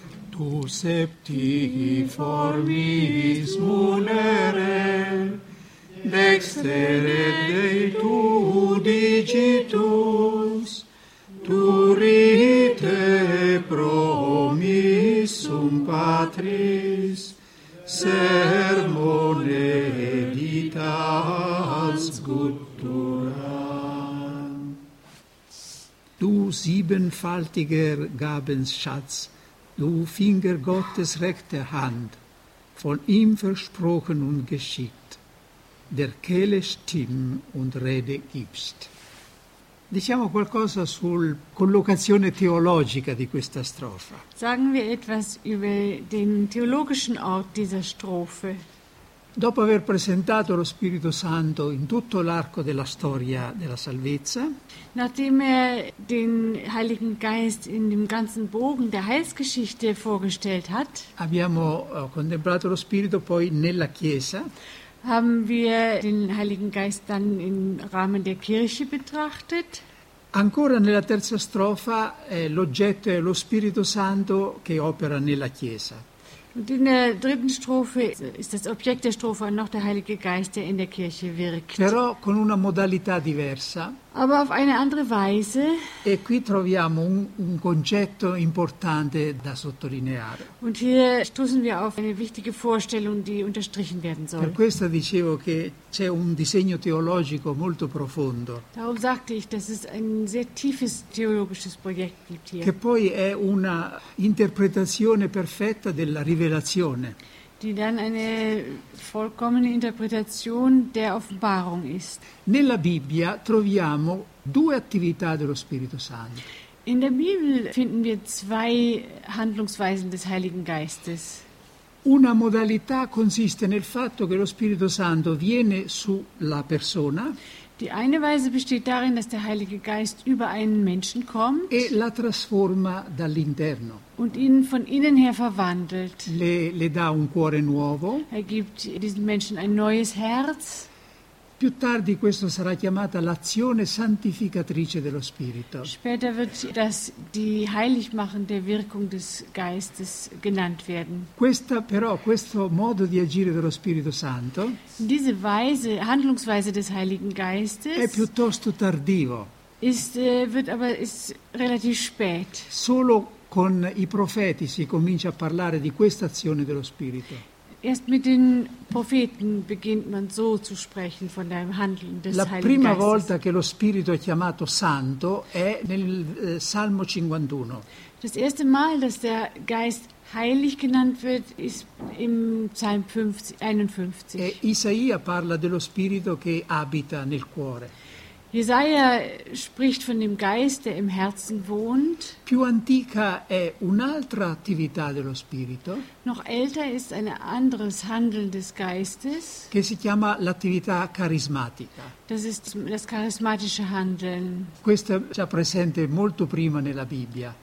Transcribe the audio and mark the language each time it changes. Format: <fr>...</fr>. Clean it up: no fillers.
<la>Tu septigi formis munere, dextere dei tu digitus, tu rite promissum patris, sermone editas guttura.</la> <de>Du siebenfaltiger Gabenschatz, du Finger Gottes rechte Hand, von ihm versprochen und geschickt, der Kehle Stimm und Rede gibst.</de> <it>Diciamo qualcosa sul collocazione teologica di questa strofa.</it> <de>Sagen wir etwas über den theologischen Ort dieser Strophe.</de> <it>Dopo aver presentato lo Spirito Santo in tutto l'arco della storia della salvezza,</it> <de>nachdem er den Heiligen Geist in dem ganzen Bogen der Heilsgeschichte vorgestellt hat,</de> <it>abbiamo contemplato lo Spirito poi nella Chiesa,</it> <de>haben wir den Heiligen Geist dann im Rahmen der Kirche betrachtet.</de> <it>Ancora nella terza strofa l'oggetto è lo Spirito Santo che opera nella Chiesa.</it> <de>Und in der dritten Strophe ist das Objekt der Strophe noch der Heilige Geist, der in der Kirche wirkt.</de> <it>Però con una modalità diversa.</it> <de>Aber auf eine andere Weise.</de> <it>E qui troviamo un concetto importante da sottolineare.</it> <de>Und hier stoßen wir auf eine wichtige Vorstellung, die unterstrichen werden soll.</de> <it>Per questo dicevo che c'è un disegno teologico molto profondo.</it> <de>Darum sagte ich, dass es ein sehr tiefes theologisches Projekt gibt hier.</de> <it>Che poi è una interpretazione perfetta della Rivelazione.</it> <de>Die dann eine vollkommene Interpretation der Offenbarung ist.</de> <it>Nella Bibbia troviamo due attività dello Spirito Santo.</it> <de>In der Bibel finden wir zwei Handlungsweisen des Heiligen Geistes.</de> <it>Una modalità consiste nel fatto che lo Spirito Santo viene sulla persona.</it> <de>Die eine Weise besteht darin, dass der Heilige Geist über einen Menschen kommt</de> <it>e la trasforma dall'interno.</it> <de>Und ihn von innen her verwandelt.</de> <it>Le dà un cuore nuovo.</it> <de>Er gibt diesem Menschen ein neues Herz.</de> <it>Più tardi questo sarà chiamata l'azione santificatrice dello Spirito.</it> <de>Später wird das die heiligmachende Wirkung des Geistes genannt werden.</de> <it>Questa però, questo modo di agire dello Spirito Santo,</it> <de>diese Weise, Handlungsweise des Heiligen Geistes,</de> <it>è piuttosto tardivo.</it> <de>Ist relativ spät.</de> <it>Solo con i profeti si comincia a parlare di questa azione dello Spirito.</it> <de>Erst mit den Propheten beginnt man so zu sprechen von dem Handeln des</de> <it>La</it> <de>Heiligen</de> <it>prima</it> <de>Geistes.</de> <it>Volta che lo Spirito è chiamato Santo è nel Salmo 51.</it> <de>Das erste Mal, dass der Geist heilig genannt wird, ist im Psalm 51.</de> <it>E Isaia parla dello Spirito che abita nel cuore.</it> <de>Jesaja spricht von dem Geist, der im Herzen wohnt.</de> <it>Più antica è un'altra attività dello Spirito.</it> <de>Noch älter ist ein anderes Handeln des Geistes.</de> <it>Che si chiama l'attività carismatica.</it> <de>Das ist das charismatische Handeln.</de> <it>Questo è già presente molto prima nella Bibbia.</it>